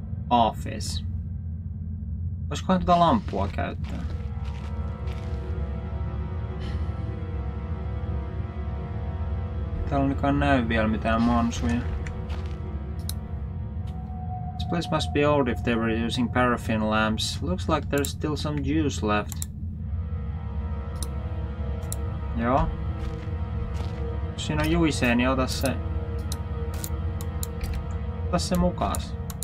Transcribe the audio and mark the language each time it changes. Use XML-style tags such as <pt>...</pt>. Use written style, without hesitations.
<en>Office.</en> <fi>Voisikohan tuota lampua käyttää? Täällä ainakaan näy vielä mitään monsuja.</fi> <en>This must be old if they were using paraffin lamps. Looks like there's still some juice left.</en> <fi>Joo. Jos siinä on juiseen, niin ota se mukaas.</fi>